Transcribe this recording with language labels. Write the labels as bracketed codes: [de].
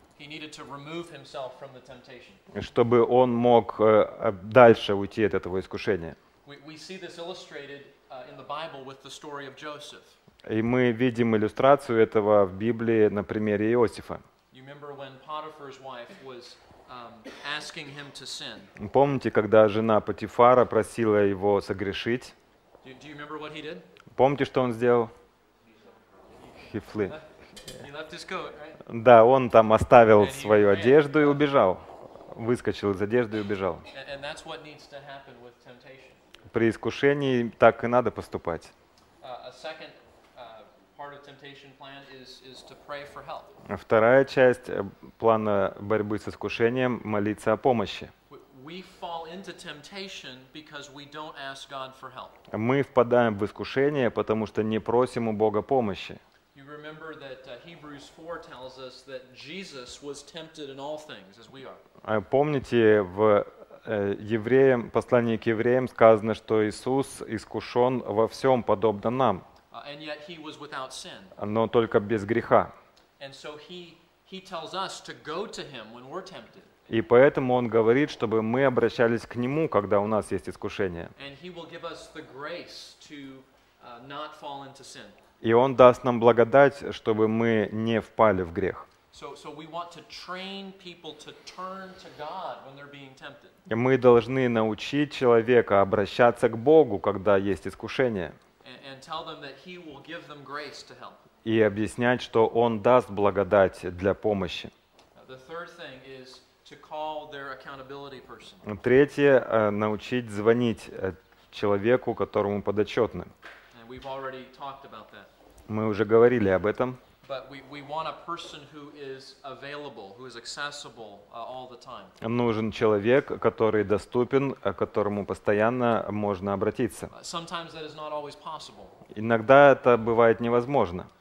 [en] He needed to remove himself from the temptation. [ru] Чтобы он мог дальше уйти от этого искушения. [en] We see this illustrated in the Bible with the story of Joseph. [ru] И мы видим иллюстрацию этого в Библии на примере Иосифа. [en] You remember when Potiphar's wife was asking him to sin. [ru] Помните, когда жена Потифара просила его согрешить? [en] Do you remember what he did? [ru] Помните, что он сделал? [en] He left his coat, right? [ru] Да, он там оставил свою одежду и убежал. Выскочил из одежды и убежал. [en] And that's what needs to happen with temptation. [ru] При искушении так и надо поступать. [en] A second part of temptation plan is to pray for help. [ru] Вторая часть плана борьбы с искушением — молиться о помощи. [en] We fall into temptation because we don't ask God for help. [ru] Мы впадаем в искушение, потому что не просим у Бога помощи. [en] You remember that Hebrews 4 tells us that Jesus was tempted in all things as we are. [ru] Помните, в Евреям, послании к Евреям сказано, что Иисус искушен во всем подобно нам. [en] And yet he was without sin. [ru] Но только без греха. [en] And so he tells us to go to him when we're tempted. [ru] И поэтому он говорит, чтобы мы обращались к нему, когда у нас есть искушение. [en] And he will give us the grace to not fall into sin. [ru] И он даст нам благодать, чтобы мы не впали в грех. [en] So we want to train people to turn to God when they're being tempted. [ru] И мы должны научить человека обращаться к Богу, когда есть искушение. [en] And tell them that he will give them grace to help. [ru] И объяснять, что он даст благодать для помощи. [en] The third thing is to call their accountability person. [ru] Третье, научить звонить человеку, которому подотчетны. [en] And we've already talked about that. [ru] Мы уже говорили об этом. [en] But we want a person who is available, who is accessible all the time. [ru] Нужен человек, который доступен, к которому постоянно можно обратиться. [en] Sometimes that is not always possible. [ru] Иногда это бывает невозможно.